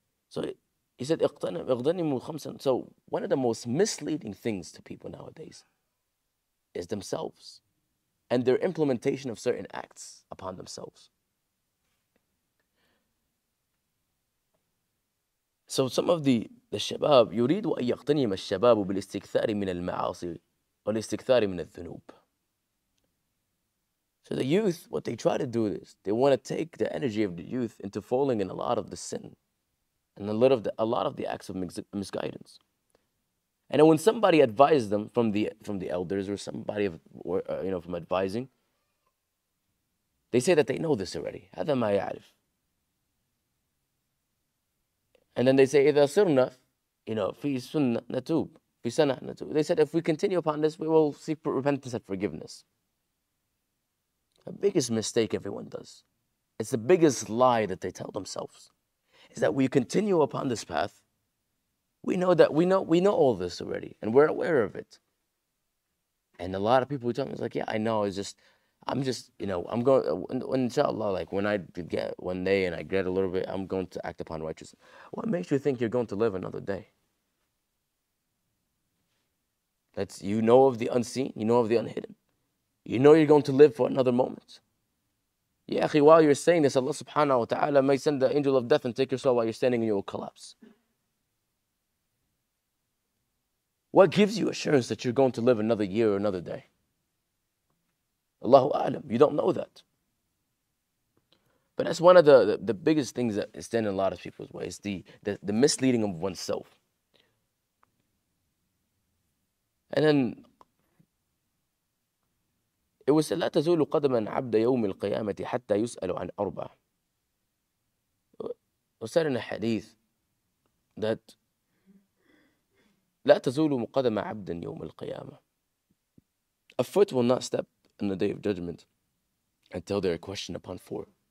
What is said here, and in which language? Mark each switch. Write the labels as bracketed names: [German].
[English] So he said, [Arabic] اغتنموا خمسا. [English] So one of the most misleading things to people nowadays is themselves and their implementation of certain acts upon themselves. So some of the [Arabic] shabab, يُرِيدُ أَن يَغْتَنِيمَ الشَّبَابُ بِالْإِسْتِكْثَارِ مِنَ الْمَعَاصِ وَالْإِسْتِكْثَارِ مِنَ الذُّنُوبِ. [English] So the youth, what they try to do is, they want to take the energy of the youth into falling in a lot of the sin, and a lot of the acts of misguidance. And when somebody advises them from the elders or somebody from advising, they say that they know this already. [Arabic] هَذَا مَا يَعْرِفُ. [English] And then they say, [Arabic] إِذَا صِرْنَا, [English] you know, [Arabic] فِي سُنَّ نَتُوب, فِي سَنَا نَتُوب. [English] They said, if we continue upon this, we will seek repentance and forgiveness. The biggest mistake everyone does, it's the biggest lie that they tell themselves, is that we continue upon this path, we know all this already, and we're aware of it. And a lot of people who tell me, it's like, yeah, I know, it's just, I'm just, you know, I'm going, inshallah, like when I get one day and I get a little bit, I'm going to act upon righteousness. What makes you think you're going to live another day? That's, you know of the unseen, you know of the unhidden. You know you're going to live for another moment. Yeah, akhi, while you're saying this, Allah subhanahu wa ta'ala may send the angel of death and take your soul while you're standing and you will collapse. What gives you assurance that you're going to live another year or another day? Allahu A'lam, you don't know that. But that's one of the biggest things that stand in a lot of people's way, is the misleading of oneself. [Arabic] And then, it was said, لا تزول قدما عبد يوم القيامة حتى يسأل عن أربع. [English] It was said in a hadith that [Arabic] لا تزول قدما عبد يوم القيامة. [English] A foot will not step in the day of judgment until they are questioned upon four.